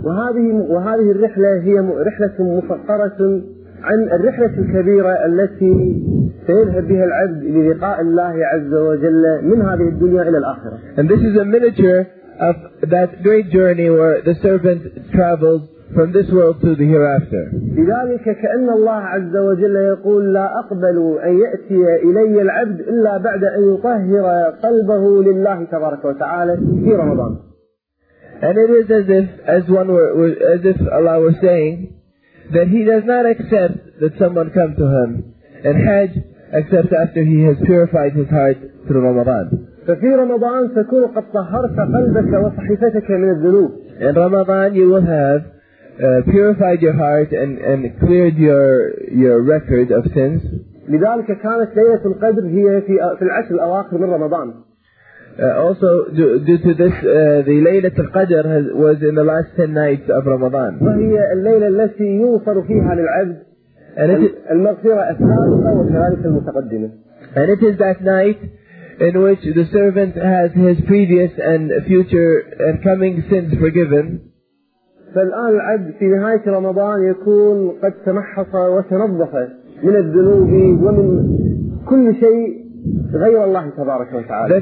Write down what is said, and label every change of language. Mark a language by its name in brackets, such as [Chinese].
[Arabic] وهذه الرحلة هي رحلة مفقرة عن الرحلة الكبيرة التي سيذهب بها العبد للقاء الله عز وجل من هذه الدنيا إلى الآخرة. [English] And this is a miniature of that great journey where the servant travels from this world to the hereafter. [Arabic] لذلك كأن الله عز وجل يقول لا أقبل أن يأتي إلي العبد إلا بعد أن يطهر قلبه لله تبارك وتعالى في رمضان. [English] And it is as if Allah were saying that He does not accept that someone come to Him in Hajj except after he has purified his heart through Ramadan. [Arabic] ففي رمضان تكون قد طهرت قلبك وصحيفتك من الذنوب. [English] In Ramadan you will have purified your heart and cleared your record of sins. [Arabic] لذلك كانت ليلة القدر هي في العشر الأواخر من رمضان. [English] Also due to this the ليلة القدر was in the last 10 nights of Ramadan. [Arabic] وهي الليلة التي يوفر فيها للعبد المغفرة السابقة والثالثة المتقدمة. [English] And it is that night in which the servant has his previous and future and coming sins forgiven. [Arabic] فالآن العبد في نهاية رمضان يكون قد تمحص وتنظف من الذنوب ومن كل شيء غير الله تبارك وتعالى.